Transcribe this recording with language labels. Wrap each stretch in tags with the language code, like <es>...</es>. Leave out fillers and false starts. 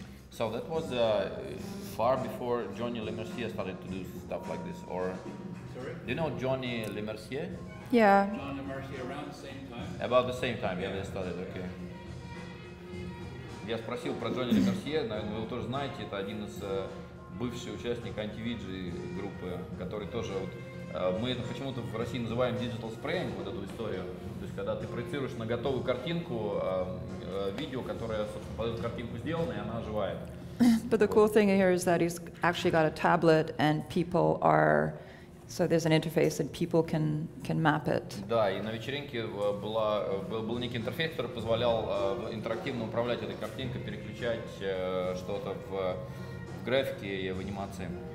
<en>So that was far before Johnny Le Mercier started to do stuff like this, or... Sorry? Do you know Johnny Le Mercier? Yeah. John Le Mercier around the same time? About the same time, yeah, they started, okay.</en> <ru>Я спросил про Джонни Ле Мерсье, наверное, вы тоже знаете, это один из бывших участников антивиджи группы, который тоже вот, мы это почему-то в России называем digital spraying, вот эту историю, то есть когда ты проецируешь на готовую картинку видео, которое, собственно, под эту картинку сделано, и она оживает.</ru> <en>But the cool thing here is that he's actually got a tablet, and people are, so there's an interface, and people can map it.</en> <ru>Да, и на вечеринке был некий интерфейс, который позволял интерактивно управлять этой картинкой, переключать что-то в графике и в анимации.</ru>